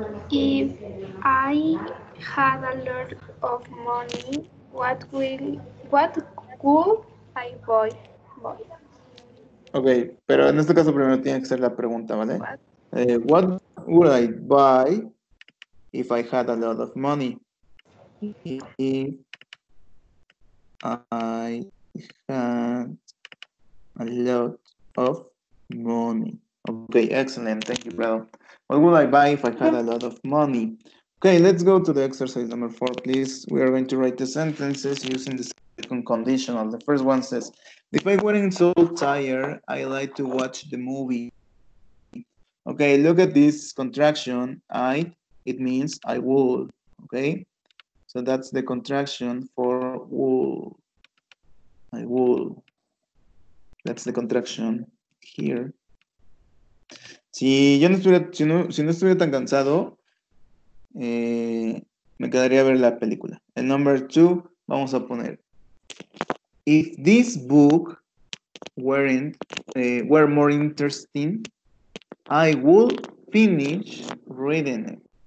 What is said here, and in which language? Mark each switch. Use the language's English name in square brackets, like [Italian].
[English] If I had a lot of money, what could I buy? Okay, [Spanish] pero en este caso primero tiene que ser la pregunta, ¿vale? [English] What would I buy if I had a lot of money? I had a lot of money. Okay, excellent. Thank you, brother. What would I buy if I had a lot of money? Okay, let's go to the exercise number 4, please. We are going to write the sentences using the second conditional. The first one says, if I weren't so tired, I like to watch the movie. Okay, look at this contraction. It means I would. Okay. So that's the contraction for will. I will. That's the contraction here. [Spanish] Si yo no estuviera, si no estuviera tan cansado, me quedaría a ver la película. El [English] number two, [Spanish] vamos a poner. [English] If this book weren't, were more interesting, I would finish reading it.